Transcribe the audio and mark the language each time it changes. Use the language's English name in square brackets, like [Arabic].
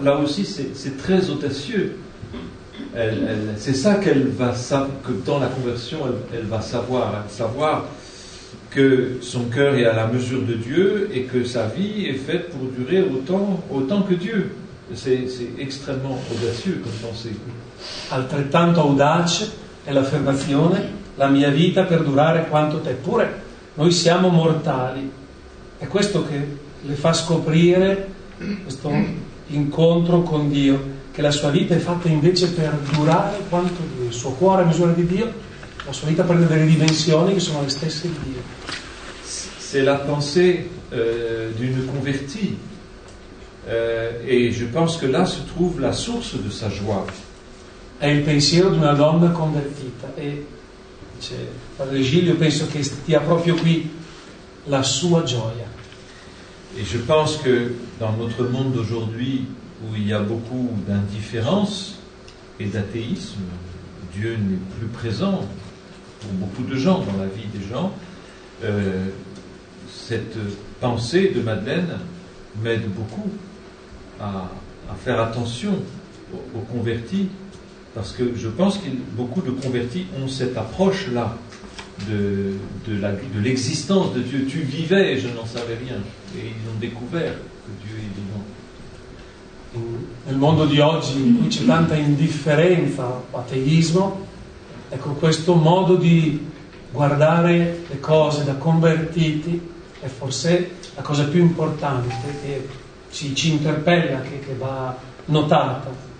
[French] Là aussi, c'est très audacieux. Elle, c'est ça qu'elle va savoir, que dans la conversion, elle va savoir. Savoir que son cœur est à la mesure de Dieu et que sa vie est faite pour durer autant que Dieu. C'est extrêmement audacieux comme pensée. [Italian] Altrettanto audace è l'affermazione: la mia vita per durare quanto te. Eppure noi siamo mortali. È questo che le fa scoprire questo incontro con Dio, che la sua vita è fatta invece per durare quanto Dio. Il suo cuore a misura di Dio, la sua vita prende delle dimensioni che sono le stesse di Dio. [French] C'est la pensée d'une convertie. Et je pense que là se trouve la source de sa joie. [Italian] È il pensiero di una donna convertita. E dice Padre Gilio, penso che stia proprio qui la sua gioia. [French] Et je pense que dans notre monde d'aujourd'hui, où il y a beaucoup d'indifférence et d'athéisme, Dieu n'est plus présent pour beaucoup de gens, dans la vie des gens, cette pensée de Madeleine m'aide beaucoup à faire attention aux convertis, parce que je pense que beaucoup de convertis ont cette approche-là de l'existence de Dieu. Tu vivais et je n'en savais rien. Et ils ont découvert que Dieu est vivant. [Italian] Nel mondo di oggi, in cui c'è tanta indifferenza, ateismo, ecco, questo modo di guardare le cose da convertiti è forse la cosa più importante che ci interpella, che va notata.